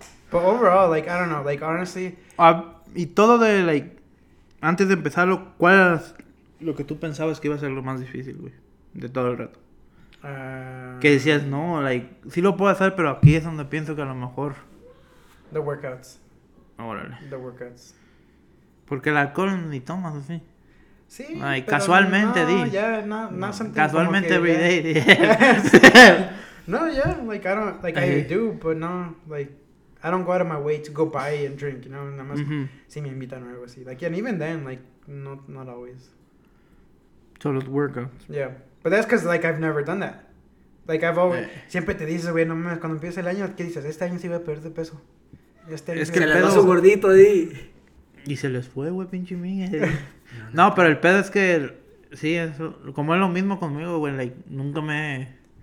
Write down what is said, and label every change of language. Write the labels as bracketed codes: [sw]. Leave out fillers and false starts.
[en] But overall, like, I don't know, like, honestly. [es] Y todo de, like, antes de empezarlo, ¿cuál era lo que tú pensabas que iba a ser lo más difícil, güey? De todo el rato. Que decías, no, like, sí lo puedo hacer, pero aquí es donde pienso que a lo mejor. [en] The workouts. [es] Órale. [en] The workouts. [es] Porque el alcohol ni tomas, así. Sí. Ay, pero casualmente, no, di. [en] Yeah, no, casualmente, every day. Yeah. No, yeah, like, I don't, like, I do, but no, like, I don't go out of my way to go buy and drink, you know, [es] nada más si me invitan o algo así. [en] Like, and even then, like, not always. Total workouts. Yeah, but that's because, like, I've never done that. [es] Like, [en] I've always, [es] siempre te dices, güey, no mames, cuando empieza el año, ¿qué dices? Este año sí voy a perder de peso. Este año es que le paso gordito, di. Y se les fue, güey, pinche mía. No, pero el pedo es que, sí, eso, como es lo mismo conmigo, güey, like, nunca me...